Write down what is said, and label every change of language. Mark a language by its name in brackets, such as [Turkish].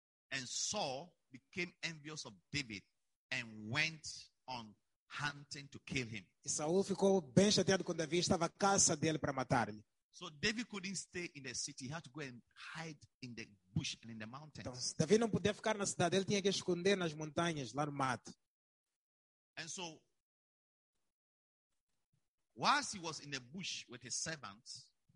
[English] And Saul became envious of David and went on hunting to kill him. [Portuguese] E Saul ficou bem chateado com Davi, estava à caça dele para matar-lhe. [English] So David couldn't stay in the city. He had to go and hide in the bush and in the mountains. [Portuguese] Então, Davi não podia ficar na cidade, ele tinha que esconder nas montanhas, lá no mato. [English] And so, whilst he was in the bush with his servants,